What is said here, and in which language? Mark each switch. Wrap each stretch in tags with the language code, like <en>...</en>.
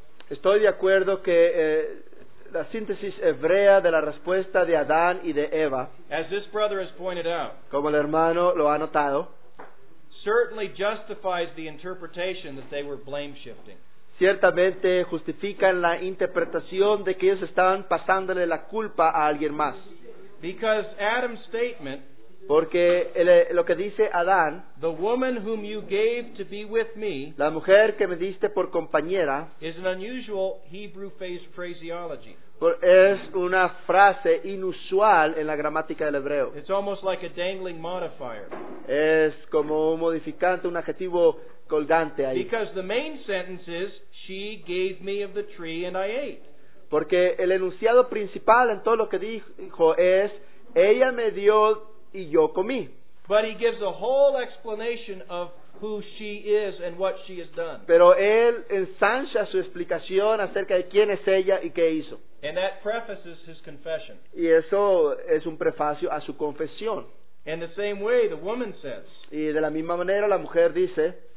<es>Recuerdo que la síntesis hebrea de la respuesta de Adán y de Eva,</es> <en>as this brother has pointed out,</en> <es>como el hermano lo ha notado,</es> <en>certainly justifies the interpretation that they were blame shifting.</en> <es>Ciertamente justifican la interpretación de que ellos estaban pasándole la culpa a alguien más.</es> <en>Because Adam's statement,</en> <es>Porque lo que dice Adán,</es> <en>the woman whom you gave to be with me,</en> <es>la mujer que me diste por compañera,</es> <en>is an unusual Hebrew phraseology.</en> <es>Es una frase inusual en la gramática del hebreo.</es> <en>It's almost like a dangling modifier.</en> <es>Es como un modificante, un adjetivo colgante ahí.</es> <en>Because the main sentence is, she gave me of the tree and I ate.</en> <es>Porque el enunciado principal en todo lo que dijo es, ella me dio y yo comí.</es> <en>But he gives a whole explanation of who she is and what she has done.</en> <es>Pero él ensancha su explicación acerca de quién es ella y qué hizo.</es> <en>And that prefaces his confession.</en> <es>Y eso es un prefacio a su confesión.</es> <en>And the same way the woman says.</en> <es>Y de la misma manera la mujer dice.</es>